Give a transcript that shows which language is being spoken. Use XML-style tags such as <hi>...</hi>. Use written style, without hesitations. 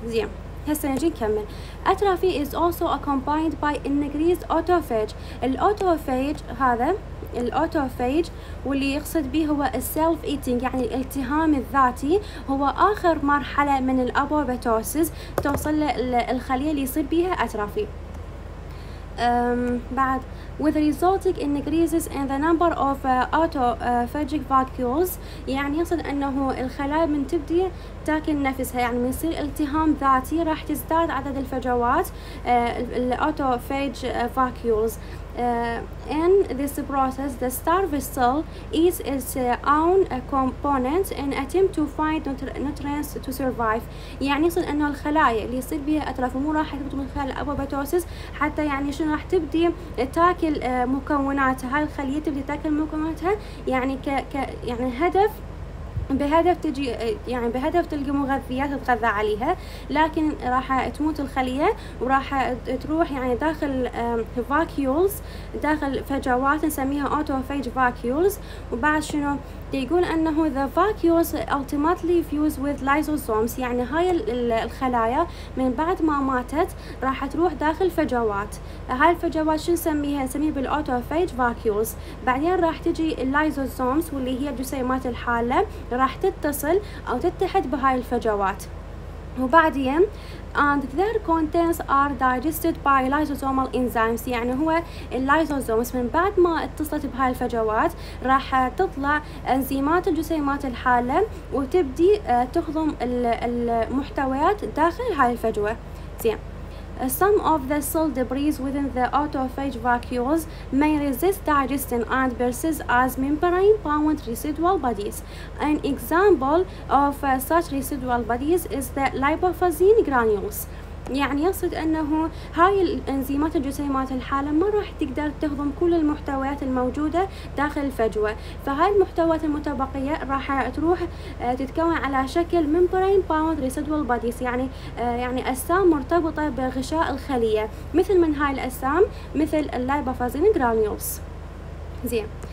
<ar>زين، هسه نجي نكمل.</ar> <en>Atrophy is also accompanied by increase autophagy.</en> <ar>الاوتوفاج هذا الاوتوفاج واللي يقصد به هو السيلف ايتينج، يعني الالتهام الذاتي، هو اخر مرحله من الابوبتوسيس توصل للخليه اللي يصير بيها اترافي.</ar> <en>بعد with resulting increases in the number of autophagic vacuoles.</en> <ar>يعني يقصد انه الخلايا من تبدي تاكل نفسها، يعني من يصير التهام ذاتي راح تزداد عدد الفجوات الاوتوفاج vacuoles.</ar> <en>In this process the starved cell eats its own components in attempt to find nutrients to survive.</en> <ar>يعني يصير انه الخلايا اللي يصير بها اترافي مو راح تبدي من خلال الابوبتوسيس، حتى يعني شنو راح تبدي تاكل مكوناتها، هاي الخليه تبدي تاكل مكوناتها، يعني يعني هدف بهدف تجي يعني بهدف تلقى مغذيات تتغذى عليها، لكن راح تموت الخليه وراح تروح يعني داخل فاكيولز، داخل فجوات نسميها اوتوفاج فاكيولز. وبعد شنو يقول انه</ar> <en>the vacuoles ultimately fuse with lysosomes.</en> <ar>يعني هاي الخلايا من بعد ما ماتت راح تروح داخل فجوات، هاي الفجوات شو نسميها؟ نسميها بالاوتوفاج vacuoles. بعدين راح تجي اللايزوزومز واللي هي الجسيمات الحالة، راح تتصل او تتحد بهاي الفجوات، وبعدين</ar> <en>and their contents are digested by lysosomal enzymes.</en> <ar>يعني هو اللايزوزومز من بعد ما اتصلت بهاي الفجوات راح تطلع انزيمات الجسيمات الحالة وتبدي تهضم المحتويات داخل هاي الفجوة.</ar> <en>زين، some of the cell debris within the autophage vacuoles may resist digestion and persist as membrane-bound residual bodies. An example of such residual bodies is the lipofuscin granules.</en> <ar>يعني يقصد انه هاي الانزيمات الجسيمات الحالة ما راح تقدر تهضم كل المحتويات الموجودة داخل الفجوة، فهاي المحتويات المتبقية راح تروح تتكون على شكل</ar> <en>membrane bound residual bodies،</en> <ar>يعني اجسام مرتبطة بغشاء الخلية، مثل من هاي الاجسام مثل اللايبوفازين جرانيولز. زين،</ar>